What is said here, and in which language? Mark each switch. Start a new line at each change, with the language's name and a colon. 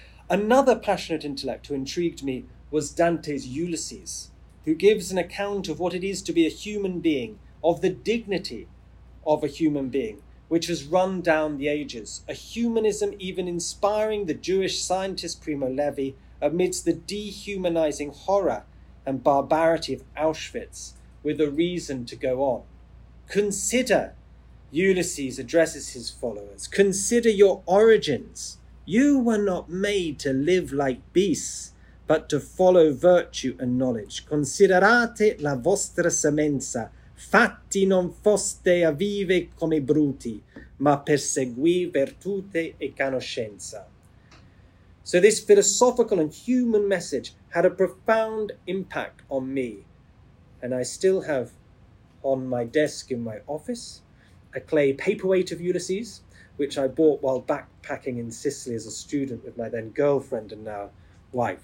English: Another passionate intellect who intrigued me was Dante's Ulysses, who gives an account of what it is to be a human being, of the dignity of a human being, which has run down the ages, a humanism even inspiring the Jewish scientist Primo Levi amidst the dehumanizing horror and barbarity of Auschwitz, with a reason to go on. Consider, Ulysses addresses his followers, consider your origins. You were not made to live like beasts, but to follow virtue and knowledge.
Italian: Considerate la vostra semenza, fatti non foste a vive come bruti, ma persegui virtute e conoscenza.
English: So this philosophical and human message had a profound impact on me, and I still have on my desk in my office a clay paperweight of Ulysses, which I bought while backpacking in Sicily as a student with my then girlfriend and now wife.